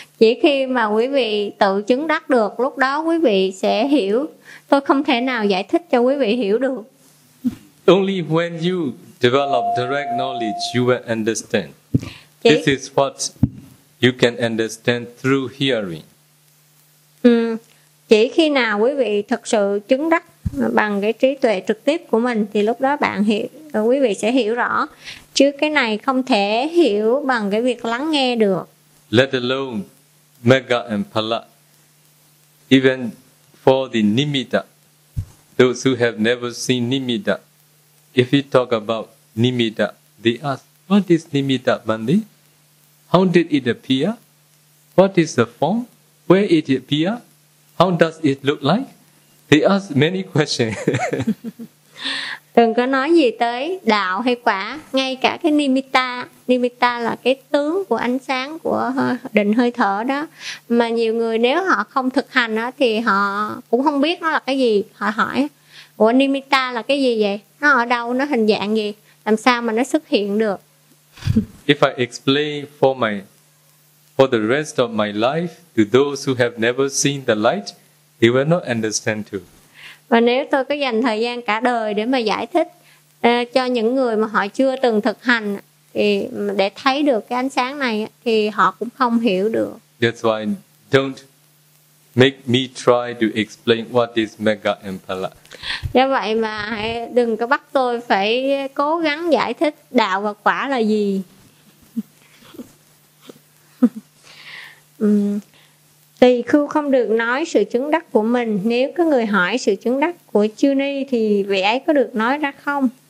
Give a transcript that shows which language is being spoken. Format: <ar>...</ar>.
<vi>Chỉ khi mà quý vị tự chứng đắc được, lúc đó quý vị sẽ hiểu. Tôi không thể nào giải thích cho quý vị hiểu được.</vi> <en>Only when you develop direct knowledge, you will understand. This is what you can understand through hearing.</en> <vi>Chỉ khi nào quý vị thực sự chứng đắc bằng cái trí tuệ trực tiếp của mình thì lúc đó bạn hiểu, quý vị sẽ hiểu rõ. Chứ cái này không thể hiểu bằng cái việc lắng nghe được.</vi> <en>Let alone Magga and Phala, even for the Nimitta, those who have never seen Nimitta, if we talk about Nimitta, they ask, what is Nimitta, Bandhi? How did it appear? What is the form? Where it appear? How does it look like? They ask many questions.</en> <vi>Đừng có nói gì tới đạo hay quả, ngay cả cái nimitta là cái tướng của ánh sáng của định hơi thở đó, mà nhiều người nếu họ không thực hành đó, thì họ cũng không biết nó là cái gì. Họ hỏi, ủa nimitta là cái gì vậy, nó ở đâu, nó hình dạng gì, làm sao mà nó xuất hiện được.</vi> <en>If I explain for the rest of my life to those who have never seen the light, they will not understand too.</en> <vi>Và nếu tôi có dành thời gian cả đời để mà giải thích cho những người mà họ chưa từng thực hành thì để thấy được cái ánh sáng này thì họ cũng không hiểu được.</vi> <en>That's why don't make me try to explain what is Magga and Phala.</en> <vi>Do vậy mà đừng có bắt tôi phải cố gắng giải thích đạo và quả là gì. Tỳ khưu không được nói sự chứng đắc của mình. Nếu có người hỏi sự chứng đắc của chư ni thì vị ấy có được nói ra không?</vi>